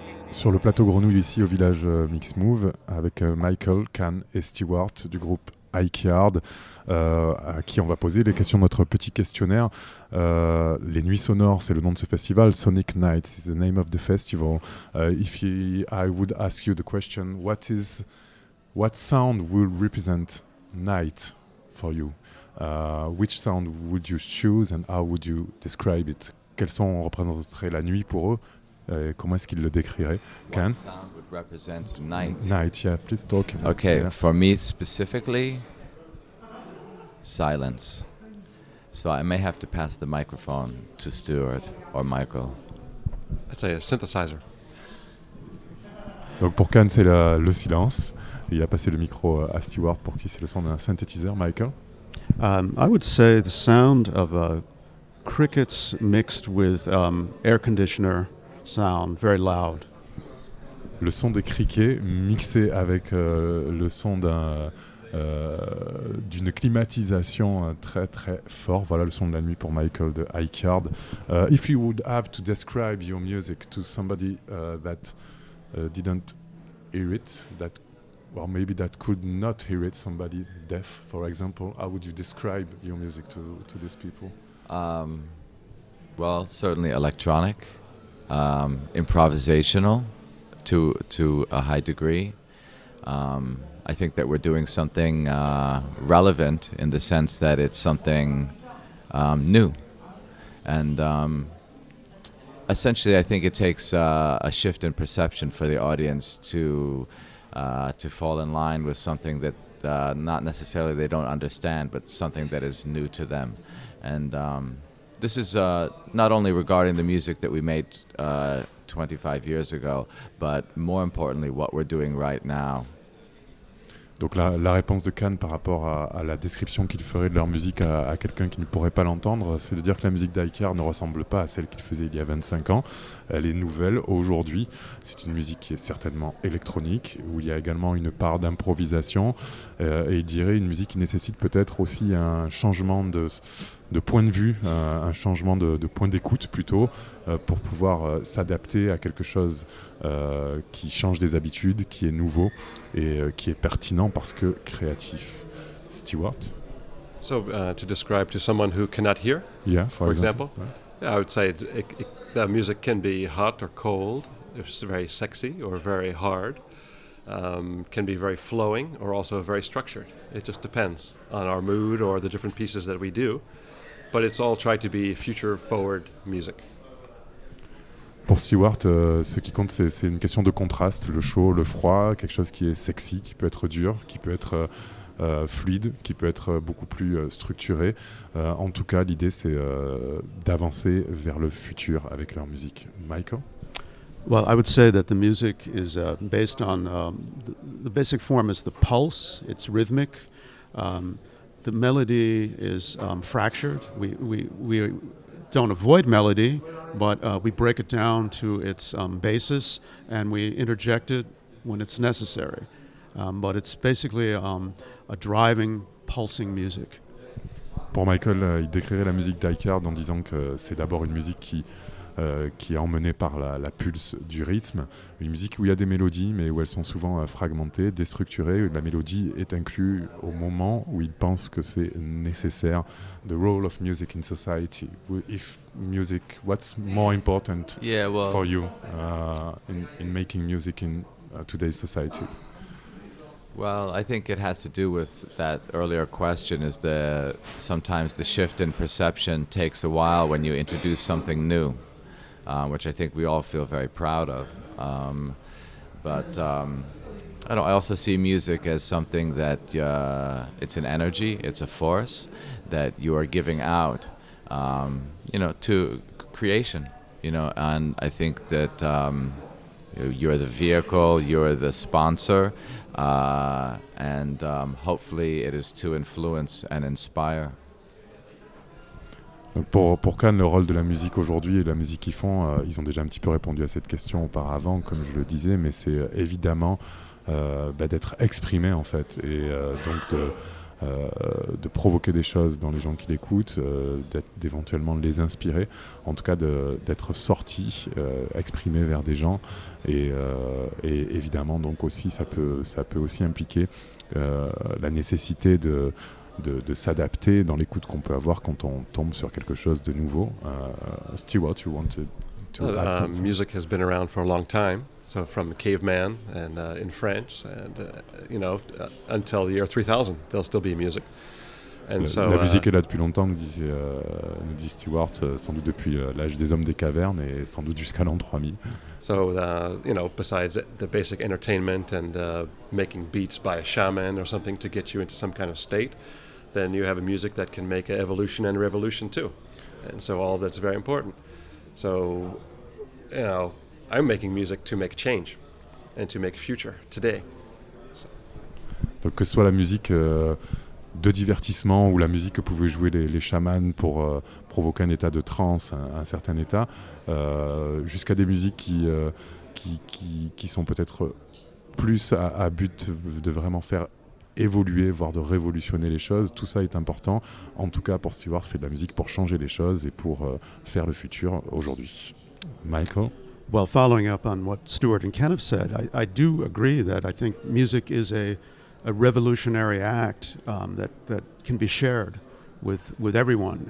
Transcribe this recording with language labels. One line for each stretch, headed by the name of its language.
French: Sur le plateau Grenouille ici au village Mix Move avec Michael, Can et Stuart du groupe Ike Yard, à qui on va poser les questions de notre petit questionnaire. Les Nuits Sonores, c'est le nom de ce festival.
English: Sonic Nights is the name of the festival. I would ask you the question, what sound will represent night for you? Which sound would you choose and how would you describe it?
French: Quels sont représenterait la nuit pour eux? Comment est-ce qu'ils le décriraient?
English: What sound would represent night? Night, yeah, please talk. Okay, yeah. For me specifically, silence. So I may have to pass the microphone to Stuart or Michael. I'd say a synthesizer.
French: Donc pour Can, c'est le silence. Il a passé le micro à Stuart pour qui c'est le son d'un synthétiseur. Michael?
English: I would say the sound of crickets mixed with air conditioner sound, very loud.
French: Le son des criquets mixé avec le son d'un... d'une climatisation très très fort. Voilà le son de la nuit pour Michael de Ike Yard.
English: If you would have to describe your music to somebody that didn't hear it, that, or maybe that could not hear it, somebody deaf, for example, how would you describe your music to these people? Well, certainly electronic, improvisational to a high degree. I think that we're doing something relevant in the sense that it's something new. And essentially, I think it takes a shift in perception for the audience to fall in line with something that not necessarily they don't understand, but something that is new to them. And this is not only regarding the music that we made 25 years ago, but more importantly, what we're doing right now.
French: Donc la réponse de Can par rapport à la description qu'il ferait de leur musique à quelqu'un qui ne pourrait pas l'entendre, c'est de dire que la musique d'Ike Yard ne ressemble pas à celle qu'il faisait il y a 25 ans. Elle est nouvelle aujourd'hui. C'est une musique qui est certainement électronique, où il y a également une part d'improvisation. Et il dirait une musique qui nécessite peut-être aussi un changement de point de vue, un changement de point d'écoute plutôt, pour pouvoir s'adapter à quelque chose qui change des habitudes, qui est nouveau et qui est pertinent parce que créatif. Stuart?
English: So, to describe to someone who cannot hear, yeah, for example, yeah. I would say the music can be hot or cold, if it's very sexy or very hard, can be very flowing or also very structured. It just depends on our mood or the different pieces that we do. but it's all tried to be future forward music.
French: Pour Stewart, ce qui compte, c'est une question de contraste, le chaud, le froid, quelque chose qui est sexy, qui peut être dur, qui peut être fluide, qui peut être beaucoup plus structuré. En tout cas, l'idée, c'est d'avancer vers le futur avec leur musique. Michael?
English: Well, I would say that the music is based on the basic form is the pulse. It's rhythmic. The melody is fractured. We don't avoid melody, but we break it down to its basis and we interject it when it's necessary. But it's basically a driving, pulsing music.
French: Pour Michael, il décrirait la musique d'Icard en disant que c'est d'abord une musique qui est emmenée par la pulse du rythme, une musique où il y a des mélodies mais où elles sont souvent fragmentées, déstructurées, où la mélodie est inclue au moment où il pense que c'est nécessaire.
English: The role of music in society, if music, what's more important for you in making music in today's society? Well, I think it has to do with that earlier question is that sometimes the shift in perception takes a while when you introduce something new. Which I think we all feel very proud of. I also see music as something that it's an energy, it's a force that you are giving out, to creation, and I think that you're the vehicle, you're the sponsor, and hopefully it is to influence and inspire.
French: Pour Cannes, le rôle de la musique aujourd'hui et de la musique qu'ils font, ils ont déjà un petit peu répondu à cette question auparavant, comme je le disais, mais c'est évidemment d'être exprimé, en fait, et donc de provoquer des choses dans les gens qui l'écoutent, d'éventuellement les inspirer, en tout cas d'être sorti, exprimé vers des gens, et évidemment, donc aussi, ça peut aussi impliquer la nécessité de s'adapter dans l'écoute qu'on peut avoir quand on tombe sur quelque chose de nouveau.
English: Stewart, you wanted to add something? Music has been around for a long time, so from the caveman and in France, and until the year 3000, there'll still be music.
French: And la musique est là depuis longtemps, nous dit Stewart, sans doute depuis l'âge des hommes des cavernes et sans doute jusqu'à l'an 3000.
English: So, besides the basic entertainment and making beats by a shaman or something to get you into some kind of state, then you have a music that can make an evolution and a revolution too. And so all that's very important. So, I'm making music to make change and to make future today. So.
French: Donc que ce soit la musique de divertissement ou la musique que pouvaient jouer les chamans pour provoquer un état de transe, un certain état, jusqu'à des musiques qui sont peut-être plus à but de vraiment faire évoluer, voire de révolutionner les choses. Tout ça est important. En tout cas, pour Stewart, fait de la musique pour changer les choses et pour faire le futur aujourd'hui. Michael?
English: Well, following up on what Stewart and Ken have said, I do agree that I think music is a revolutionary act that can be shared with everyone.